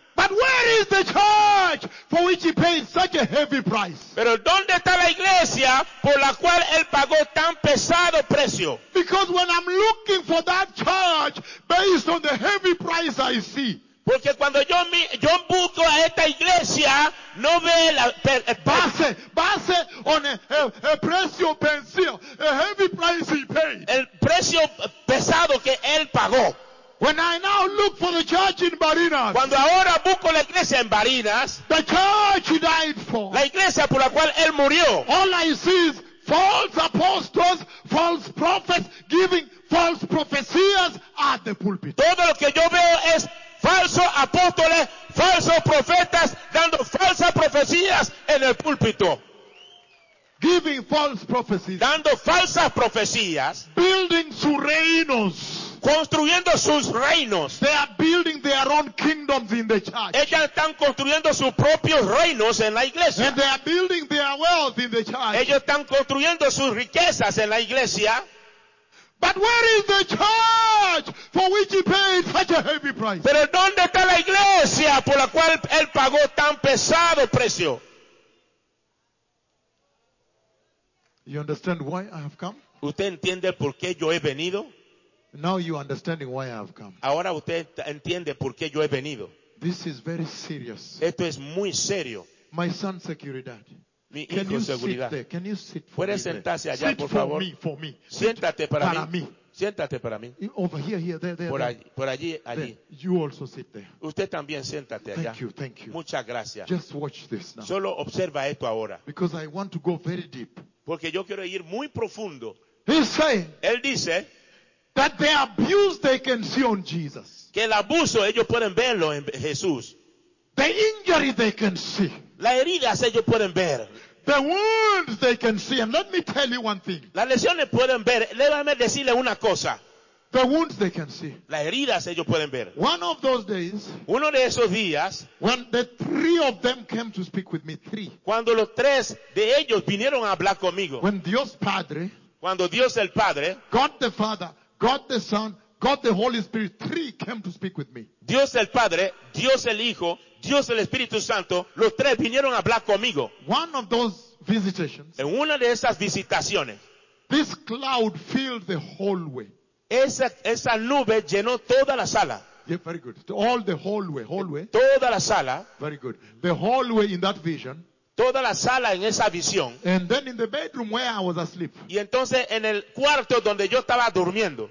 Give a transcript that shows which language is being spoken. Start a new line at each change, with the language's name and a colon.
English: but where is the church for which he paid such a heavy price?
Spanish: Pero ¿dónde está la iglesia por la cual él pagó tan pesado precio?
English: Because when I'm looking for that church based on the heavy price I see,
Spanish: porque cuando yo busco a esta iglesia, no ve la
English: base on
Spanish: el precio pensado,
English: a heavy price he paid.
Spanish: El precio pesado que él pagó.
English: When I now look for the church in Barinas,
Spanish: cuando ahora busco la iglesia en Barinas,
English: the church he died for,
Spanish: la iglesia por la cual él murió,
English: all I see is false apostles, false prophets giving false prophecies at the pulpit.
Spanish: Todo lo que yo veo es falsos apóstoles, falsos profetas dando falsas profecías en el púlpito.
English: Giving false prophecies.
Spanish: Dando falsas profecías. Building sus reinos. Construyendo sus reinos.
English: They are building their own kingdoms in the church.
Spanish: Ellos están construyendo sus propios reinos en la iglesia.
English: And they are building their wealth in the church.
Spanish: Ellos están construyendo sus riquezas en la iglesia.
English: But where is the church for which he paid such a heavy price?
Spanish: Pero ¿dónde está la iglesia por la cual él pagó tan pesado precio?
English: You understand why I have come?
Spanish: ¿Usted entiende por qué yo he venido?
English: Now you understanding why I have come.
Spanish: Ahora usted entiende por qué yo he venido.
English: This is very serious.
Spanish: Esto es muy serio.
English: My son, Seguridad.
Spanish: Mi hijo,
English: can you
Spanish: Seguridad.
English: Sit there? Can you sit for
Spanish: ¿puedes sentarse allá,
English: sit
Spanish: por favor?
English: For me.
Spanish: Siéntate para mí. Siéntate para mí.
English: Over here, there.
Spanish: Por allí.
English: There. You also sit there.
Spanish: Usted también siéntate
English: thank
Spanish: allá.
English: Thank you.
Spanish: Muchas gracias.
English: Just watch this now.
Spanish: Solo observa esto ahora.
English: Because I want to go very deep.
Spanish: Porque yo quiero ir muy profundo. Él dice
English: that the abuse they can see on Jesus.
Spanish: Que el abuso ellos pueden verlo en Jesús.
English: The injury they can see.
Spanish: La herida ellos pueden ver.
English: The wounds they can see. And let me tell you one thing.
Spanish: Las lesiones pueden ver. Déjame decirle una cosa.
English: The wounds they can see.
Spanish: Las heridas ellos pueden ver.
English: One of those days.
Spanish: Uno de esos días.
English: When the three of them came to speak with me. Three.
Spanish: Cuando los tres de ellos vinieron a hablar conmigo. When Dios Padre. Cuando Dios el Padre.
English: God the Father. God the Son. God the Holy Spirit. Three came to speak with me.
Spanish: Dios el Padre. Dios el Hijo. Dios el Espíritu Santo, los tres vinieron a hablar conmigo.
English: One of those visitations,
Spanish: en una de esas visitaciones,
English: this cloud filled the hallway.
Spanish: Esa nube llenó toda la sala.
English: Yeah, very good. All the hallway.
Spanish: Toda la sala.
English: Very good. The hallway in that vision.
Spanish: Toda la sala en esa visión.
English: And then in the bedroom where I was asleep.
Spanish: Y entonces en el cuarto donde yo estaba durmiendo.